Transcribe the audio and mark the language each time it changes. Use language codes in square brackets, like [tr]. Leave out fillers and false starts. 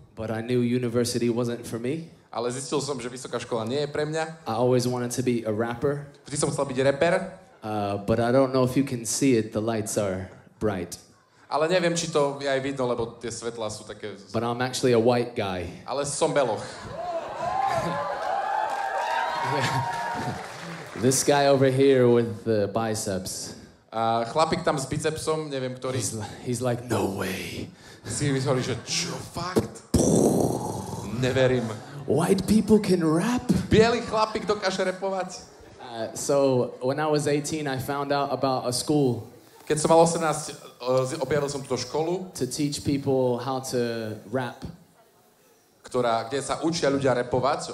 [en] But I knew university wasn't for me. [sk] Ale zistil som, že vysoká škola nie je pre mňa. [en] I always wanted to be a rapper. [sk] Vždy som chcel byť rapper. [en] But I don't know if you can see it, the lights are bright. [sk] Ale neviem, či to aj vidno, lebo tie svetlá sú také... [en] But I'm actually a white guy. [sk] Ale som beloch. [en] This guy over here with the biceps. [sk] Chlapík tam s bicepsom, neviem ktorý. [en] He's like, no way. [sk] Si myslí, že čo, fakt? Neverím. [en] White people can rap? [sk] Bielý chlapík dokáže rapovať. [en] So, when I was 18, I found out about a school. [sk] Keď som mal 18, objavil som túto školu. [en] To teach people how to rap. [sk] Kde sa učia ľudia rapovať.